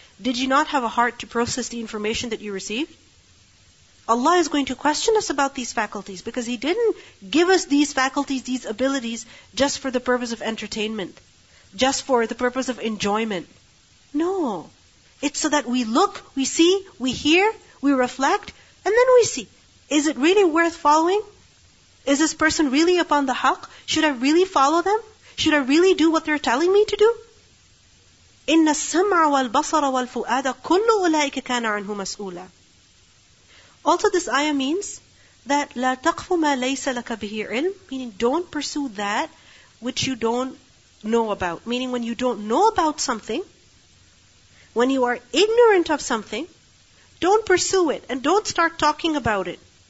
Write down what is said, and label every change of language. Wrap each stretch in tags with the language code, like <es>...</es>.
<en>Did you not have a heart to process the information that you received? Allah is going to question us about these faculties because He didn't give us these faculties, these abilities, just for the purpose of entertainment, just for the purpose of enjoyment. No. It's so that we look, we see, we hear, we reflect, and then we see. Is it really worth following? Is this person really upon the haq? Should I really follow them? Should I really do what they're telling me to do?</en> <ar>إِنَّ السَّمْعَ وَالْبَصَرَ وَالْفُؤَادَ كُلُّ أُولَٰئِكَ كَانَ عَنْهُ مَسْئُولًا.</ar> <en>Also, this ayah means that</en> <ar>لَا تَقْفُ مَا لَيْسَ لَكَ بِهِ عِلْمٍ,</ar> <en>meaning don't pursue that which you don't know about. Meaning when you don't know about something, when you are ignorant of something, don't pursue it and don't start talking about it.</en>